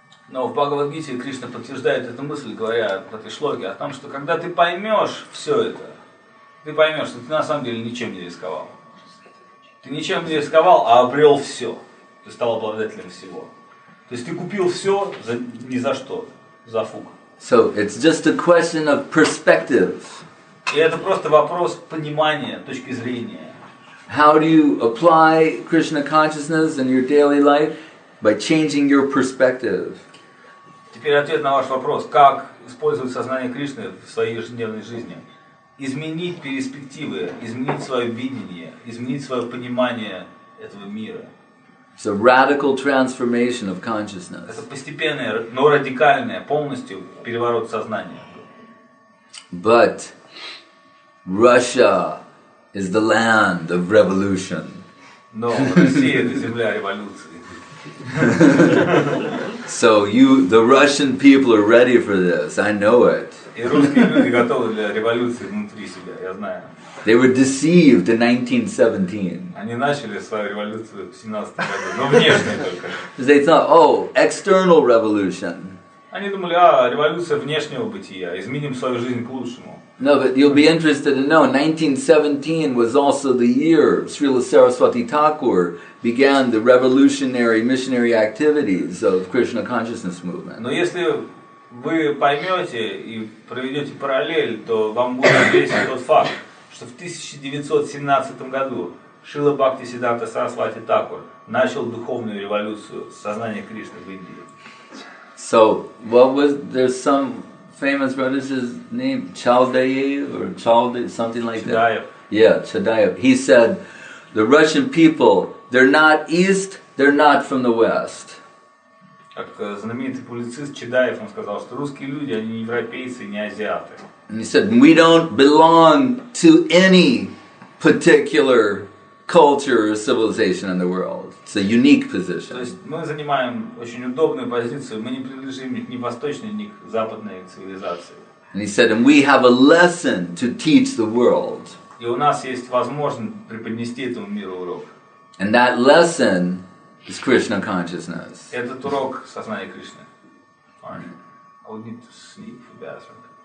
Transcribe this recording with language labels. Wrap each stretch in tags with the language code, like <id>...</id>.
<ru>Но в Bhagavad Gita Krishna подтверждает эту мысль, говоря в этой шлоке о том, что когда ты поймешь все это, ты поймешь, что ты на самом деле ничем не рисковал. Ты ничем не рисковал, а обрел все. Ты стал обладателем всего. То есть ты купил все за, ни за что, за фуг.</ru> <en>So it's just a question of perspective.</en> <ru>И это просто вопрос понимания, точки зрения.</ru> <en>How do you apply Krishna consciousness in your daily life? By changing your perspective.</en> <ru>Теперь ответ на ваш вопрос. Как использовать сознание Кришны в своей ежедневной жизни? Изменить перспективы, изменить свое видение, изменить свое понимание этого мира.</ru> <en>It's a radical transformation of consciousness.</en> <ru>Это постепенное, но радикальное, полностью переворот сознания.</ru> <en>But Russia is the land of revolution.</en> <ru>Но Россия — это земля революции.</ru> <en>So you, the Russian people are ready for this. I know it.</en> <ru>И русские люди готовы для революции внутри себя, я знаю.</ru> <en>They were deceived in 1917.</en> <ru>Они начали свою революцию в 17 году, но внешне только.</ru> <en>They thought, oh, external revolution.</en> <ru>Они думали, а, революция внешнего бытия, изменим свою жизнь к лучшему.</ru> <en>No, but you'll be interested to know, 1917 was also the year Srila Saraswati Thakur began the revolutionary missionary activities of Krishna Consciousness Movement.</en> <ru>Но если вы поймете и проведете параллель, то вам будет известен тот факт, что в 1917 году Шрила Бхакти Сиддханта Сарасвати Такур начал духовную революцию сознания Кришны в Индии.</ru> <en>So, what was, there's some famous brother's name, Chaldayev or Chaldayev, something like Chadayev. That. Yeah, Chaldayev. He said, the Russian people, they're not East, they're not from the West.</en> <ru>Как знаменитый публицист Чедаев, он сказал, что русские люди, они не европейцы, не азиаты.</ru> <en>And he said, we don't belong to any particular culture or civilization in the world. It's a unique position.</en> <ru>То есть мы занимаем очень удобную позицию, мы не принадлежим ни восточной, ни западной цивилизации.</ru> <en>And he said, and we have a lesson to teach the world.</en> <ru>И у нас есть возможность преподнести этому миру урок.</ru> <en>And that lesson is Krishna consciousness.</en> <ru>Этот урок — сознание Кришны.</ru> <en>Fine. I would need to sleep for the bathroom.</en>